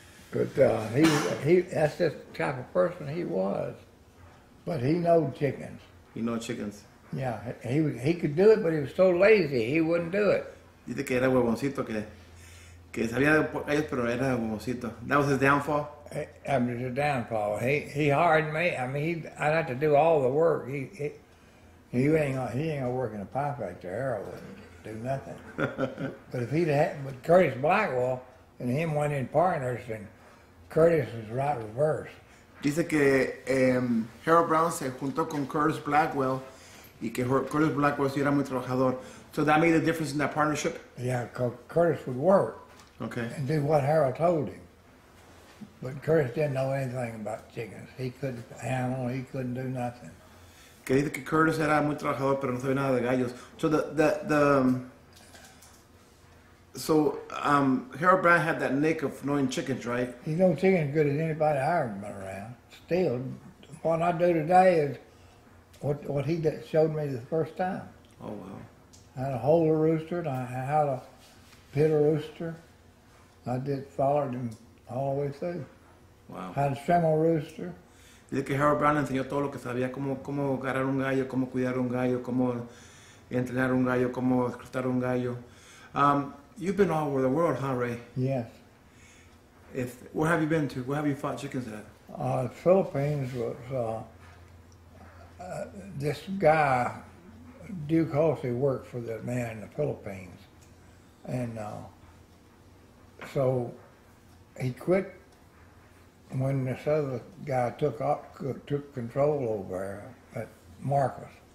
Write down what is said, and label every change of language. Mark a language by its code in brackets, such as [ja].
[en] But he that's just the type of person he was. But he knowed chickens. He knowed chickens. Yeah, he could do it, but he was so lazy he wouldn't do it. [es] Dice que era huevoncito que sabía de ellos, pero era huevoncito. [en] That was his downfall. I mean, it's a downfall. He hired me. I mean, I'd have to do all the work. He ain't gonna work in a pie factory. Harold wouldn't do nothing. But if he'd had, but Curtis Blackwell and him went in partners, and Curtis was right reverse. [es] Dice que Harold Brown se juntó con Curtis Blackwell, y que Curtis Blackwell era muy trabajador. [en] So that made a difference in that partnership. Yeah, because Curtis would work. Okay. And do what Harold told him. But Curtis didn't know anything about chickens. He couldn't handle. He couldn't do nothing. [es] Que dice que Curtis era muy trabajador, pero no sabía nada de gallos. [en] So Harold Brown had that nick of knowing chickens, right? He knows chickens as good as anybody I remember around. Still, what I do today is what he showed me the first time. Oh wow! How to hold a rooster, and how to pit a rooster. I did followed him. Always say, wow. Had a strangle rooster. [es] Dice que Harold Brown enseñó todo lo que sabía, cómo agarrar un gallo, cómo cuidar un gallo, cómo entrenar un gallo, cómo escrutar un gallo. [en] You've been all over the world, huh, Ray? Yes. Where have you been to? Where have you fought chickens at? Philippines was this guy, Duke Halsey, worked for that man in the Philippines. And so he quit when this other guy took control over there, that Marcus.